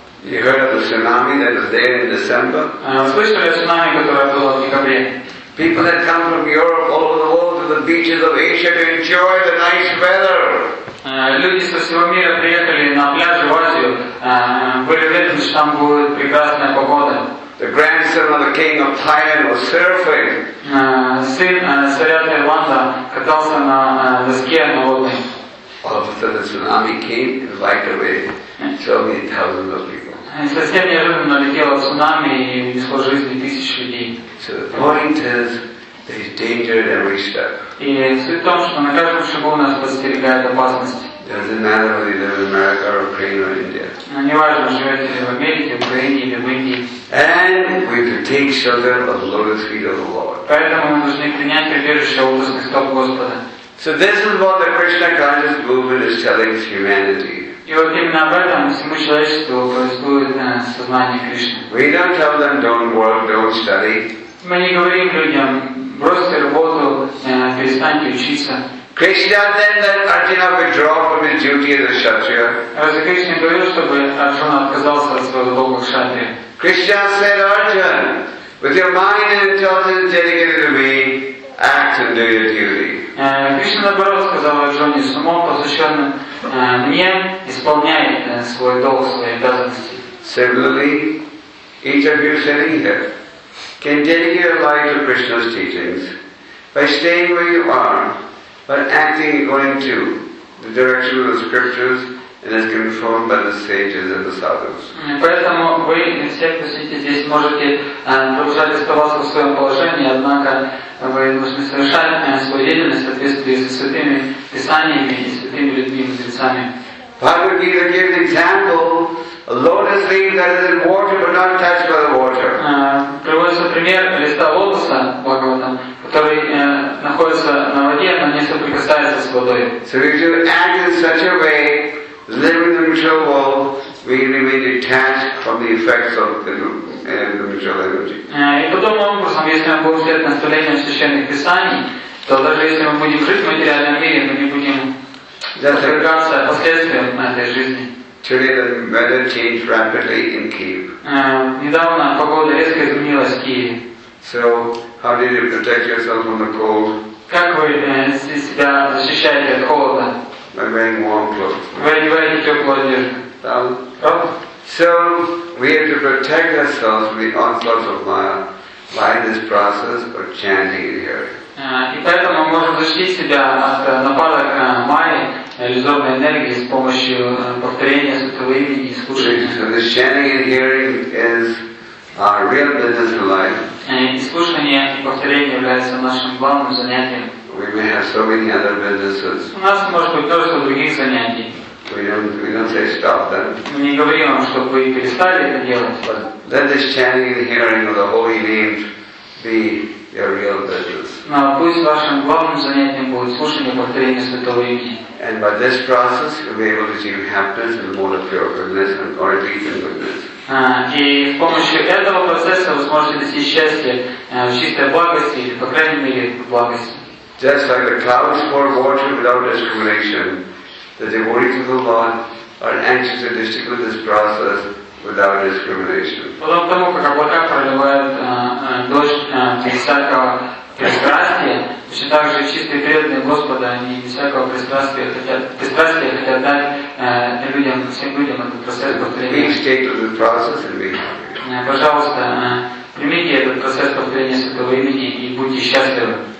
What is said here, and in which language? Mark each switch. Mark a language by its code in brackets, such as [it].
[en] You heard of the tsunami that was there in December? [ru] Слышали о цунами, которое было в декабре? [en] People that come from Europe all over the world to the beaches of Asia to enjoy the nice weather. [ru] Люди со всего мира приехали на пляжи в Азию, были уверены, что там будет прекрасная погода. [en] The grandson of the king of Thailand was surfing. [ru] Сын царя Таиланда катался на доске на лодке. [en] After the tsunami came, it wiped away so many thousands of people. [ru] Совсем неожиданно налетело цунами и унесло жизни тысяч людей. [en] So the point is, there is danger at every step. [ru] И суть в том, что на каждом шагу нас подстерегает опасность. [en] Doesn't matter whether you live in America or Ukraine or India. [ru] Неважно, живете ли в Америке, в Украине или в Индии. [en] And we have to take shelter of the lotus feet of the Lord. [ru] Поэтому мы должны принять прибежище у лотосных стоп Господа. [en] So this is what the Krishna conscious movement is telling humanity. [ru] И вот именно об этом всему человечеству происходит сознание Кришны. [en] We don't tell them don't work, don't study. [ru] Мы не говорим людям бросьте работу, перестаньте учиться. [en] Krishna then let Arjuna withdraw from his duty as a kshatriya. [ru] Разве Кришна говорил, чтобы Арджуна отказался от своего долга кшатрия? [en] Krishna said, Arjun, with your mind and intelligence dedicated to me, act and do your duty. [ru] Кришна наоборот сказал Арджуне, с умом посвященным мне, исполняй свой долг, свои обязанности. [en] Similarly, each of you sitting here can dedicate your life to Krishna's teachings by staying where you are, but acting according to the direction of the scriptures and as confirmed by the sages and the sadhus. [ru] Поэтому вы все, кто сидите здесь, можете продолжать оставаться в своем положении, однако вы должны совершать свою деятельность в соответствии со святыми писаниями и святыми людьми и мудрецами. [en] Bhagavad Gita gives an example, a lotus leaf that is in water but not touched by the water. [ru] Приводится пример листа лотоса, Бхагаватам, который находится на воде, но не соприкасается с водой. [en] So if you act in such a way, living in the material world, we remain detached from the effects of the material energy. [ru] И потом, образом, если мы будем следовать наставлениям священных писаний, то даже если мы будем жить в материальном мире, мы не будем подвергаться последствиям этой жизни. [en] Today the weather changed rapidly in Kiev. [ru] Недавно погода резко изменилась в Киеве. [en] So, how did you protect yourself from the cold? [ru] Как вы себя защищаете от холода? [en] By wearing warm clothes. [ru] Вы одеваете теплую одежду. [en] So, we have to protect ourselves from the onslaughts of Maya by this process of chanting and hearing. [ru] И поэтому мы можем защитить себя от нападок Майи, иллюзорной энергии, с помощью повторения святого имени и слушания. [en] So, this chanting and hearing is our real business in life. [ru] И слушание и повторение являются нашим главным занятием. [en] We may have so many other businesses. [ru] У нас может быть тоже других занятий. [en] We don't say stop then. [ru] Мы не говорим вам, чтобы вы перестали это делать. [en] But let this chanting and hearing of the holy name be your real business. [ru] Но пусть вашим главным занятием будет слушание и повторение святого имени. [en] And by this process, you'll be able to achieve happiness and more of pure goodness and or deepen goodness. [ru] И с помощью этого процесса вы сможете достичь счастья в чистой благости или, по крайней мере, в благости. [en] Just like the clouds pour water without discrimination, the devotees of the Lord are anxious to distribute this process without discrimination. [ru] Потом тому, как облака проливают дождь без всякого пристрастия, точно так же чистые преданные Господа, они без всякого пристрастия хотят дать всем людям этот процесс повторения. Пожалуйста, примите этот процесс повторения святого имени и будьте счастливы.